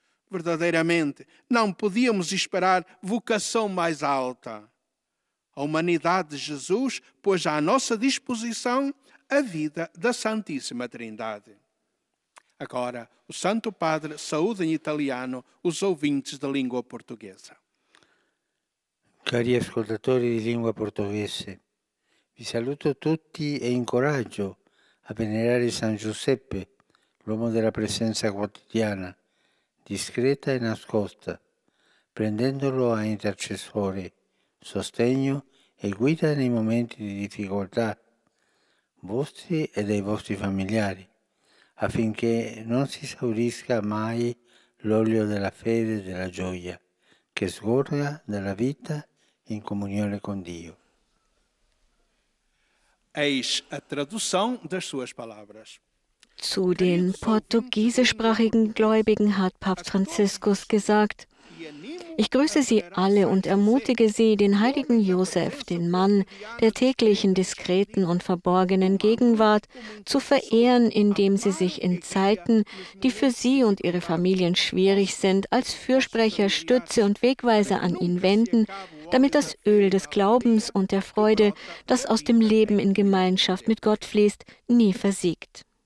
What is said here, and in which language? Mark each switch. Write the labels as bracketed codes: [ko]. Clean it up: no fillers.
[pt] Verdadeiramente, não podíamos esperar vocação mais alta. A humanidade de Jesus pôs à nossa disposição a vida da Santíssima Trindade. Agora, o Santo Padre saúda em italiano os ouvintes da língua portuguesa. [it] Cari ascoltatori di lingua portoghese, vi saluto tutti e incoraggio a venerare San Giuseppe, l'uomo della presenza quotidiana, discreta e nascosta, prendendolo a intercessore, sostegno e guida nei momenti di difficoltà vostri e dei vostri familiari, affinché non si esaurisca mai l'olio della fede e della gioia che sgorga dalla vita in comunione con Dio. [pt] Eis a tradução das suas palavras. [de] Zu den portugiesischsprachigen Gläubigen hat Papst Franziskus gesagt: Ich grüße Sie alle und ermutige Sie, den heiligen Josef, den Mann der täglichen diskreten und verborgenen Gegenwart, zu verehren, indem Sie sich in Zeiten, die für Sie und Ihre Familien schwierig sind, als Fürsprecher, Stütze und Wegweiser an ihn wenden, damit das Öl des Glaubens und der Freude, das aus dem Leben in Gemeinschaft mit Gott fließt, nie versiegt.